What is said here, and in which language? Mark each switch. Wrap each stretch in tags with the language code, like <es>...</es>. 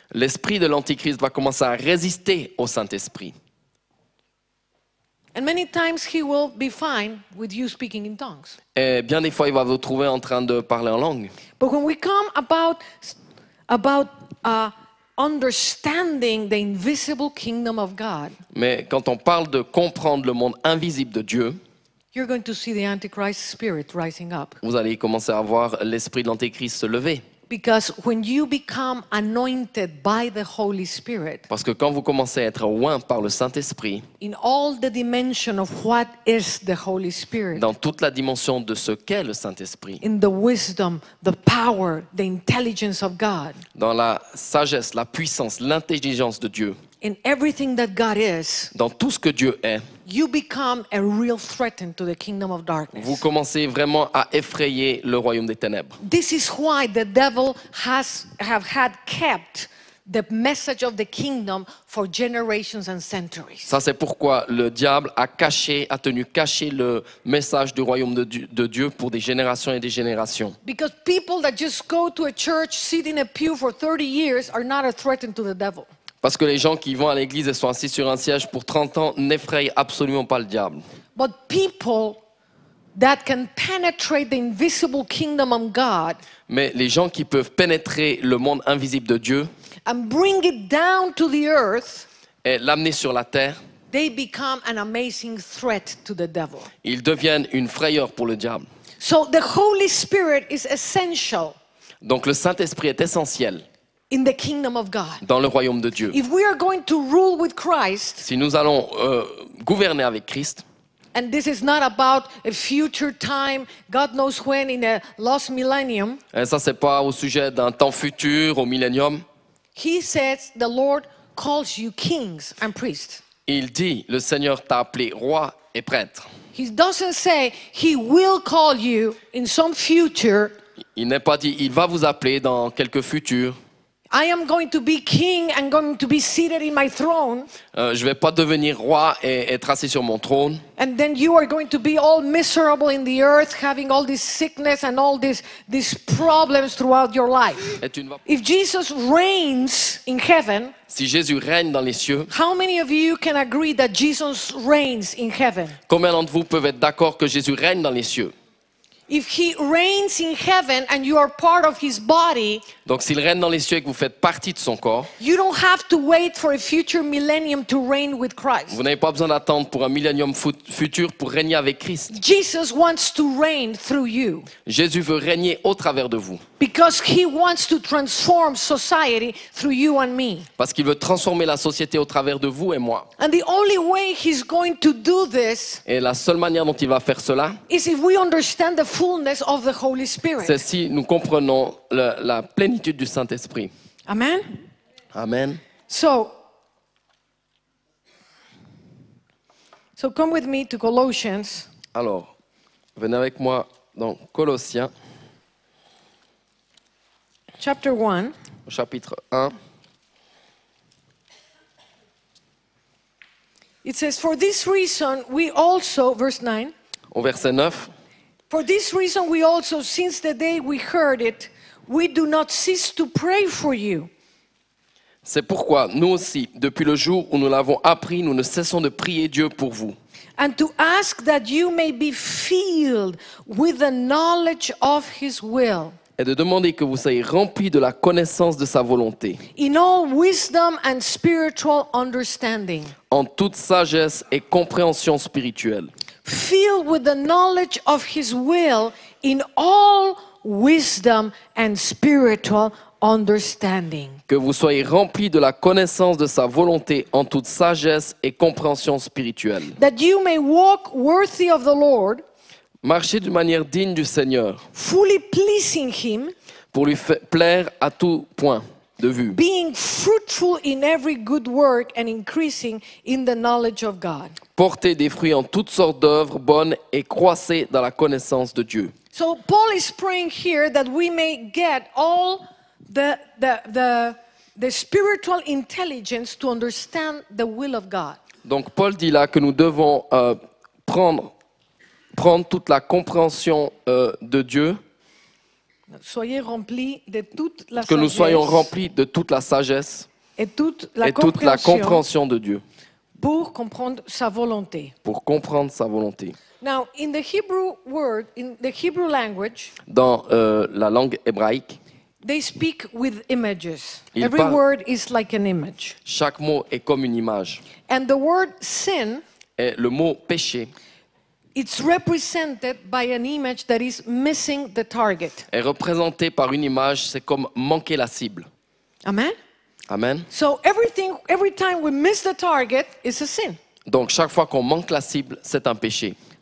<fr>L'esprit de l'Antichrist va commencer à résister au Saint-Esprit.</fr> <en>And many times he will be fine with you speaking in tongues.</en> <fr>Et bien des fois il va vous trouver en train de parler en langue.</fr> <en>But when we come about understanding the invisible kingdom of God.</en> <fr>Mais quand on parle de comprendre le monde invisible de Dieu,</fr> <en>you're going to see the Antichrist spirit rising up.</en> <fr>Vous allez commencer à voir l'esprit de l'Antéchrist se lever.</fr> <en>Because when you become anointed by the Holy Spirit,</en> <fr>parce que quand vous commencez à être oint par le Saint-Esprit,</fr> <en>in all the dimension of what is the Holy Spirit,</en> <fr>dans toute la dimension de ce qu'est le Saint-Esprit,</fr> <en>in the wisdom, the power, the intelligence of God,</en> <fr>dans la sagesse, la puissance, l'intelligence de Dieu,</fr> <en>in everything that God is,</en> <fr>dans tout ce que Dieu est,</fr> <en>you become a real threat to the kingdom of darkness.</en> <fr>Vous commencez vraiment à effrayer le royaume des ténèbres.</fr> <en>This is why the devil had kept the message of the kingdom for generations and centuries.</en> <fr>Ça c'est pourquoi le diable a tenu caché le message du royaume de Dieu pour des générations et des générations.</fr> <en>Because people that just go to a church, sit in a pew for 30 years are not a threat to the devil.</en> <fr>Parce que les gens qui vont à l'église et sont assis sur un siège pour 30 ans n'effraient absolument pas le diable.</fr> <en>But people that can penetrate the invisible kingdom of God,</en> <fr>mais les gens qui peuvent pénétrer le monde invisible de Dieu</fr> <en>and bring it down to the earth,</en> <fr>et l'amener sur la terre,</fr> <en>they become an amazing threat to the devil.</en> <fr>Ils deviennent une frayeur pour le diable.</fr> <en>So the Holy Spirit is essential.</en> <fr>Donc le Saint-Esprit est essentiel.</fr> <en>In the kingdom of God.</en> <fr>Dans le royaume de Dieu.</fr> <en>If we are going to rule with Christ,</en> <fr>si nous allons gouverner avec Christ,</fr> <en>and this is not about a future time, God knows when, in a lost millennium.</en> <fr>Et ça c'est pas au sujet d'un temps futur, au millénium.</fr> <en>He says the Lord calls you kings and priests.</en> <fr>Il dit, le Seigneur t'a appelé roi et prêtre.</fr> <en>He doesn't say he will call you in some future.</en> <fr>Il n'est pas dit, il va vous appeler dans quelques futurs.</fr> <en>I am going to be king and going to be seated in my throne.</en> <fr>Je vais pas devenir roi et être assis sur mon trône.</fr> <en>And then you are going to be all miserable in the earth, having all this sickness and all these problems throughout your life. If Jesus reigns in heaven,</en> <fr>si Jésus règne dans les cieux,</fr> <en>how many of you can agree that Jesus reigns in heaven?</en> <fr>Combien d'entre vous peuvent être d'accord que Jésus règne dans les cieux?</fr> <en>If he reigns in heaven and you are part of his body,</en> <fr>donc s'il règne dans les cieux et que vous faites partie de son corps,</fr> <en>you don't have to wait for a future millennium to reign with Christ.</en> <fr>Vous n'avez pas besoin d'attendre pour un millénium futur pour régner avec Christ.</fr> <en>Jesus wants to reign through you.</en> <fr>Jésus veut régner au travers de vous.</fr> <en>Because he wants to transform society through you and me.</en> <fr>Parce qu'il veut transformer la société au travers de vous et moi.</fr> <en>And the only way he's going to do this,</en> <fr>et la seule manière dont il va faire cela,</fr> <en>is if we understand the fullness of the Holy Spirit.</en> <fr>C'est si nous comprenons la plénitude du Saint-Esprit.</fr> <en>Amen.</en> <fr>Amen.</fr> <en>So come with me to Colossians.</en> <fr>Alors, venez avec moi dans Colossiens.</fr> <en>Chapter 1.</en> <fr>Au chapitre 1.</fr> <en>It says, for this reason, we also, verse 9.</en> <fr>Au verset 9.</fr> <en>For this reason, we also, since the day we heard it, we do not cease to pray for you.</en> <fr>C'est pourquoi nous aussi, depuis le jour où nous l'avons appris, nous ne cessons de prier Dieu pour vous.</fr> <en>And to ask that you may be filled with the knowledge of his will.</en> <fr>Et de demander que vous soyez remplis de la connaissance de sa volonté.</fr> <en>In all wisdom and spiritual understanding.</en> <fr>En toute sagesse et compréhension spirituelle.</fr> <en>Filled with the knowledge of his will in all wisdom and spiritual understanding.</en> <fr>Que vous soyez remplis de la connaissance de sa volonté en toute sagesse et compréhension spirituelle.</fr> <en>That you may walk worthy of the Lord.</en> <fr>Marcher d'une manière digne du Seigneur.</fr> <en>Fully pleasing him.</en> <fr>Pour lui plaire à tout point de vue.</fr> <en>Being fruitful in every good work and increasing in the knowledge of God.</en> <fr>Porter des fruits en toutes sortes d'œuvres bonnes et croissez dans la connaissance de Dieu.</fr> <en>So Paul is praying here that we may get all the spiritual intelligence to understand the will of God.</en> <fr>Donc Paul dit là que nous devons prendre toute la compréhension de Dieu. Soyez remplis de toute la que nous soyons remplis de toute la sagesse et toute la compréhension de Dieu pour comprendre sa volonté. Pour comprendre sa volonté.</fr> <en>Now, in the Hebrew word, in the Hebrew language,</en> <fr>dans la langue hébraïque,</fr> <en>they speak with images. Every word is like an image.</en> <fr>Chaque mot est comme une image.</fr> <en>And the word sin,</en> <fr>et le mot péché,</fr> <en>it's represented by an image that is missing the target.</en> <fr>Est représenté par une image, c'est comme manquer la cible.</fr> <en>Amen.</en> <fr>Amen.</fr> <en>So everything, every time we miss the target, is a sin.</en> <fr>Donc chaque fois qu'on manque la cible, c'est un péché.</fr>